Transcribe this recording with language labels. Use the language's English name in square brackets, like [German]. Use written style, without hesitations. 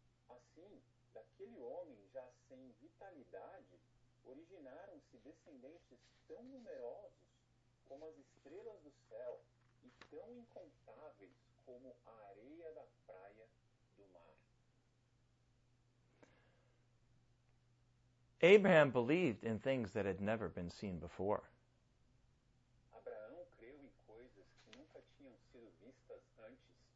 [Portuguese] Assim, daquele homem já sem vitalidade, originaram-se descendentes tão numerosos como as estrelas do céu e tão incontáveis como a areia da praia do mar. [English] Abraham believed in things that had never been seen before. [Portuguese] Abraão creu em coisas que nunca tinham sido vistas antes.